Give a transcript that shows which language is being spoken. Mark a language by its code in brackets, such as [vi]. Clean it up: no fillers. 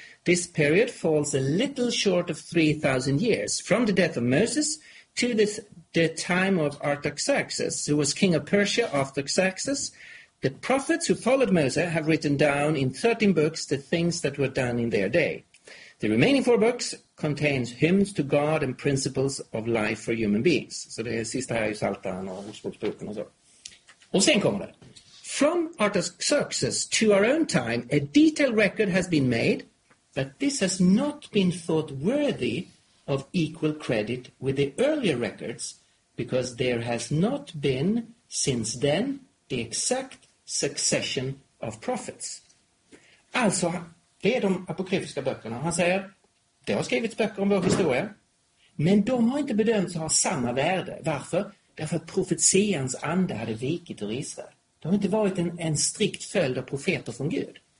[en] This period falls a little short of 3,000 years from the death of Moses to the time of Artaxerxes, who was king of Persia after Xerxes. The prophets who followed Moses have written down in 13 books the things that were done in their day. The remaining 4 books contains hymns to God and principles of life for human beings." [sv] Så det sista här är ju Saltan och Ordspråksboken och så. Och sen kommer det: [en] "From Artaxerxes to our own time, a detailed record has been made, but this has not been thought worthy of equal credit with the earlier records, because there has not been since then the exact succession of prophets." [sv] Alltså, det är de apokryfiska böckerna. Han säger, det har skrivits böcker om vår historia, men de har inte bedömts ha samma värde. Varför? Därför att profetians ande hade vikit ur Israel. De har inte varit en strikt följd av profeter från Gud.